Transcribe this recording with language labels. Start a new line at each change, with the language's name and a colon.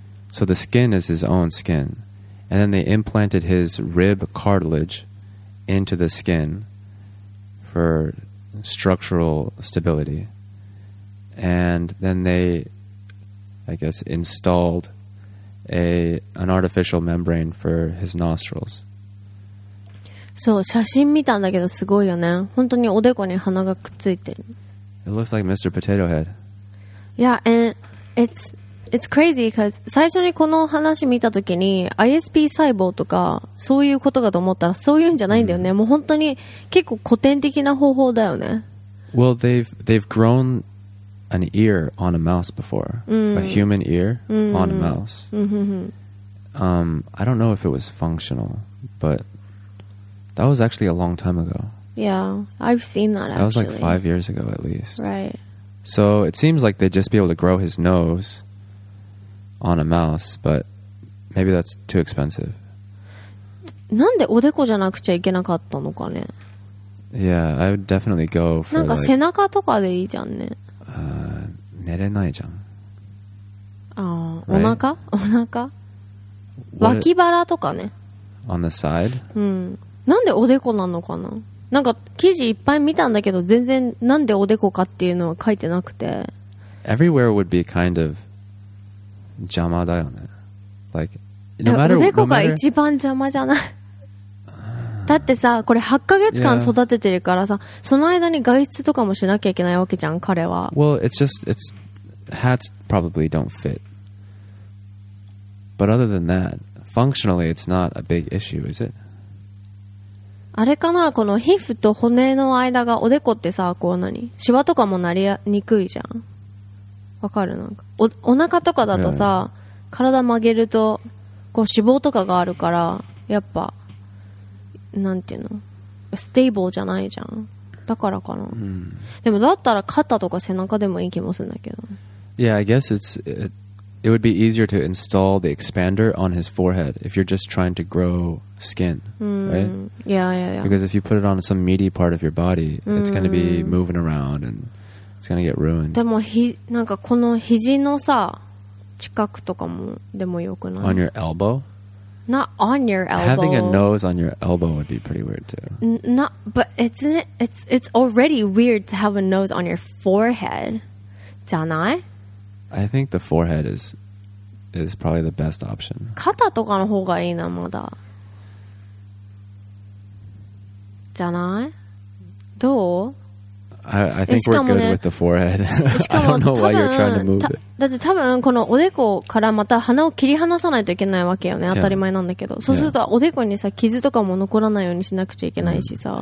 English: So the skin is his own skin, and then they implanted his rib cartilage into the skin. For structural stability, and then they, I guess, installed an artificial membrane for his nostrils.
Japanese: そう、写真見たんだけどすごいよね。本当におでこに鼻がくっついてる。
English: It looks like Mr. Potato Head. Yeah, and it's crazy because
Japanese: 最初にこの話見た時に ISP 細胞とかそういうことかと思ったら、そういうんじゃないんだよね。もう本当に結構古典的な方法だよね。
English: Well, they've grown an ear on a mouse before. A human ear on a mouse. I don't know if it was functional, but that was actually a long time ago. Yeah, I've seen that actually. That was like 5 years ago at least. Right. So it seems like they'd just be able to grow his noseOn a mouse, but maybe that's too expensive.
Japanese: なんでおでこじゃなくちゃいけなかったのかね。
English: Yeah, I would definitely go for
Japanese: なんか背中とかでいいじゃんね。寝れないじゃん。 Right? お腹 What? 脇腹とかね。
English: On the side?
Japanese: なんでおでこなのかな。なんか記事いっぱい見たんだけど、全然なんでおでこかっていうのは書いてなくて。
English: Everywhere would be kind of...
Japanese: 邪魔だよね。
English: Like, no、matter,
Japanese: おでこが一番邪魔じゃない。だってさ、これ8ヶ月間育ててるからさ、その間に外出とかもしなきゃいけないわけじゃん、彼は。
English: Well, it's just, hats probably don't fit. But other than that, functionally it's not a big issue, is it?
Japanese: あれかな、この皮膚と骨の間がおでこってさ、こう何シワとかもなりにくいじゃん。わかる、なんか お腹とかだとさ、体曲げるとこう脂肪とかがあるから、やっぱなんていうの、ステーブルじゃないじゃん。だからかな、うん、でもだったら肩とか背中でもいい気もするんだけど。
English: Yeah, I guess it would be easier to install the expander on his forehead if you're just trying to grow skin, right? Yeah, yeah, yeah. Because if you put it on some meaty part of your body, it's going to be moving around and it's going to get ruined.
Japanese: でもなんかこの肘のさ、近くとかもでもよくない？
English: On your elbow? Not on your elbow. Having a nose on your elbow would be pretty weird too. It's already weird to have a nose on your forehead,
Japanese: じゃない？
English: I think the forehead is probably the best option.
Japanese: 肩とかの方がいいな、まだ。じゃない？どう？
English: I think we're good、ね、with the forehead. I don't know why you're trying to move it.
Japanese: だって多分このおでこからまた鼻を切り離さないといけないわけよね。当たり前なんだけど。Yeah. そうするとおでこにさ、傷とかも残らないようにしなくちゃいけないしさ。